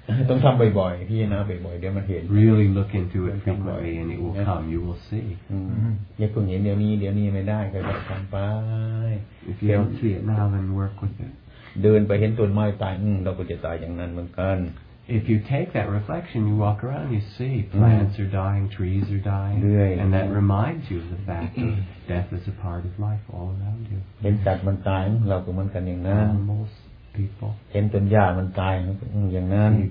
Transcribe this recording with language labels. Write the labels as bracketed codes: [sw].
[th] ต้องทำบ่อยๆพี่นะบ่อยๆเดี๋ยวมันเห็น [en] really look into it frequently and it will come you will see [th] อย่าเพิ่งเห็นเดี๋ยวนี้ไม่ได้ก็ทำไป [en] if you don't see it now then work with it [th] เดินไปเห็นต้นไม้ตายเราก็จะตายอย่างนั้นเหมือนกัน [en] if you take that reflection you walk around you see plants are dying trees are dying and that reminds you of the fact that death is a part of life all around you [th] เห็นสัตว์มันตายเราก็เหมือนกันอย่างนั้นเห็นต้นหญ้ามันตายอย่างนั้น